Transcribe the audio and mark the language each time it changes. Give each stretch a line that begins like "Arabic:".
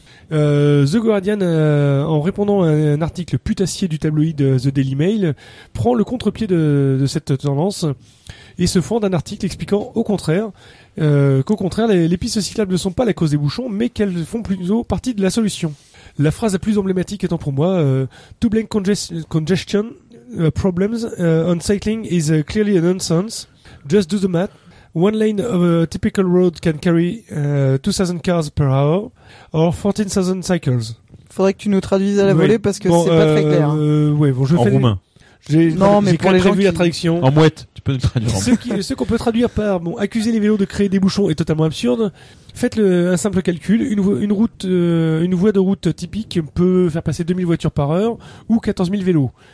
French: The Guardian, en répondant à un article putassier du tabloïd The Daily Mail, prend le contre-pied de cette tendance et se fonde un article expliquant au contraire qu'au contraire, les pistes cyclables ne sont pas la cause des bouchons, mais qu'elles font plutôt partie de la solution. La phrase la plus emblématique étant pour moi
English: « To blame congestion problems on cycling is clearly a nonsense. Just do the math. One lane of a typical road can carry 2,000 cars per hour or 14,000 cycles. »
French: Faudrait que tu nous traduises à la volée parce que c'est pas très clair. Ouais, bon, en roumain. J'ai prévu la traduction. En mouette, tu peux nous traduire. Ce qu'on peut traduire par « accuser les vélos de créer des bouchons est totalement absurde », faites un simple calcul. Une voie de route typique peut faire passer 2000 voitures par heure ou 14 000 vélos.